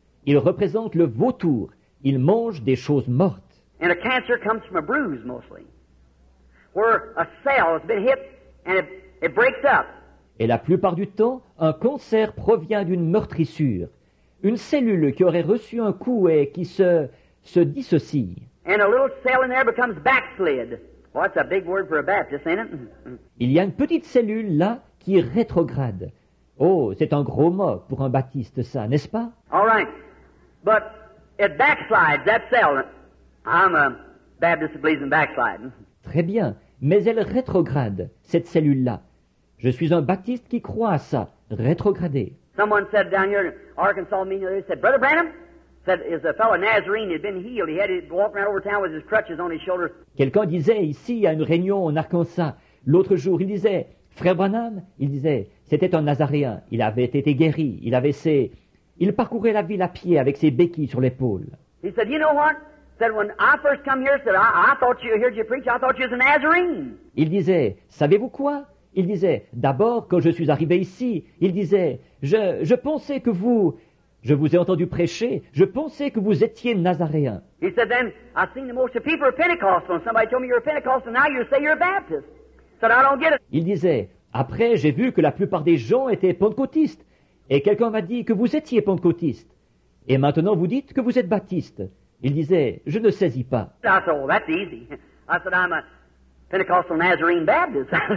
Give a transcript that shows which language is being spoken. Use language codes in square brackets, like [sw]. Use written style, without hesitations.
[fr] Il représente le vautour. Il mange des choses mortes. [en] And a cancer comes from a bruise mostly. Where a cell has been hit and it breaks up. [fr] Et la plupart du temps, un cancer provient d'une meurtrissure. Une cellule qui aurait reçu un coup et qui se dissocie. [en] And a little cell in there becomes backslid. Well, that's a big word for a Baptist, ain't it? [fr] Il y a une petite cellule là qui rétrograde. Oh, c'est un gros mot pour un baptiste, ça, n'est-ce pas? [en] All right. But it backslides, that cell. I'm a Baptist who believes in backsliding. [fr] Très bien. Mais elle rétrograde, cette cellule-là. Je suis un baptiste qui croit à ça, rétrograder. [en] Someone said down here in Arkansas meeting, they said, Brother Branham, said is a fellow Nazarene had been healed. He had to walk around over town with his crutches on his shoulders. [fr] Quelqu'un disait ici à une réunion en Arkansas l'autre jour, il disait Frère Branham, il disait, c'était un Nazaréen. Il avait été guéri. Il avait ses, il parcourait la ville à pied avec ses béquilles sur l'épaule. [en] He said, you know what? Said when I first come here, said I thought you heard you preach. I thought you was a Nazarene. [fr] Il disait, savez-vous quoi? Il disait, d'abord quand je suis arrivé ici, il disait, je pensais que vous, je vous ai entendu prêcher. Je pensais que vous étiez Nazaréen. [en] He said, then I seen the most of people are Pentecostal. And somebody told me you're a Pentecostal. Now you say you're a Baptist. Said, I don't get it. [fr] Il disait, après j'ai vu que la plupart des gens étaient pentecôtistes, et quelqu'un m'a dit que vous étiez pentecôtiste, et maintenant vous dites que vous êtes baptiste. Il disait, je ne saisis pas. [en] I said, oh, that's easy. I said, I'm a Pentecostal Nazarene Baptist.